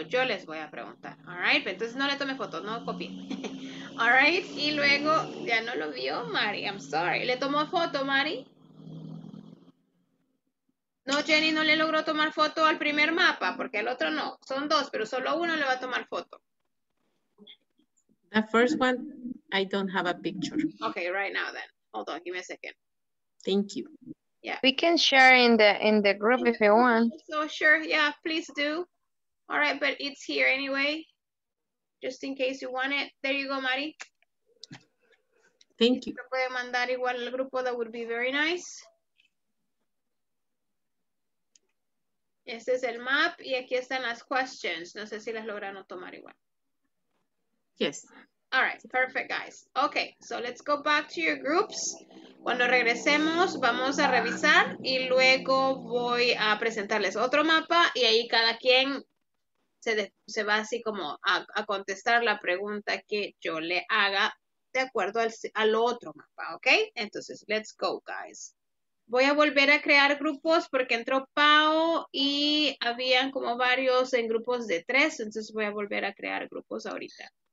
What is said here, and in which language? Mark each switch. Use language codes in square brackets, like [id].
[es] Yo les voy a preguntar. [en] All right. [es] Entonces no le tome foto, no copie. All right. Y luego ya no lo vio Mari. [en] I'm sorry. [es] ¿Le tomó foto, Mari? No, Jenny no le logró tomar foto al primer mapa porque el otro no. Son dos, pero solo uno le va a tomar foto. [en] The first one, I don't have a picture. Okay, right now then. Hold on, give me a second. Thank you. Yeah. We can share in the group if you want. So sure, yeah, please do. All right, but it's here anyway. Just in case you want it. There you go, Mari. Thank you. [es] Si puede mandar igual al grupo, [en] that would be very nice. [es] Este es el map y aquí están las questions. No sé si las lograron tomar igual. [en] Yes. All right, perfect, guys. Okay, so let's go back to your groups. [es] Cuando regresemos, vamos a revisar y luego voy a presentarles otro mapa y ahí cada quien se va así como a contestar la pregunta que yo le haga de acuerdo al otro mapa, okay? Entonces, [en] let's go, guys. [es] Voy a volver a crear grupos porque entró Pau y habían como varios en grupos de tres, entonces voy a volver a crear grupos ahorita.